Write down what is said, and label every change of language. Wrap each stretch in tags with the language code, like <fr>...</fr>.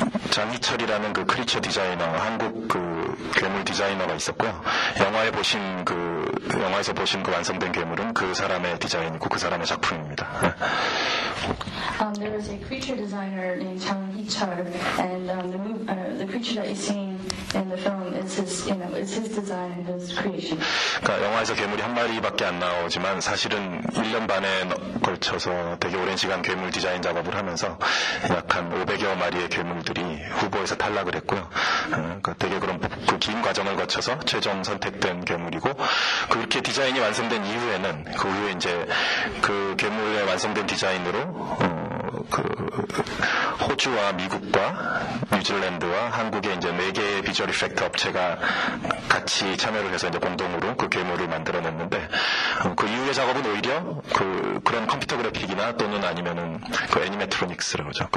<ko>Jang-hee-chul이라는 그 크리처 디자이너, 한국 그 괴물 디자이너가 있었고요. 영화에 보신 그 영화에서 보신 그 완성된 괴물은 그 사람의 디자인이고 그 사람의 작품입니다.</ko> <en>There was a creature designer named Jang-hee-chul, and the creature that you see in the film is his, you know, is his design, his creation.</en> <ko>그러니까 영화에서 괴물이 한 마리밖에 안 나오지만 사실은 1년 반에 걸쳐서 되게 오랜 시간 괴물 디자인 작업을 하면서 약 한 500여 마리의 괴물들이 후보에서 탈락을 했고요. 그러니까 되게 그런 그 긴 과정을 거쳐서 최종 선택된 괴물이고 그렇게 디자인이 완성된 이후에는 그 후에 이제 그 괴물의 완성된 디자인으로 그 호주와 미국과 뉴질랜드와 한국의 이제 네 개의 비주얼 이펙트 업체가 같이 참여를 해서 이제 공동으로 그 괴물을 만들어냈는데 그 이후의 작업은 오히려 그런 컴퓨터 그래픽이나 또는 아니면은 그 애니메트로닉스라고 하죠.</ko>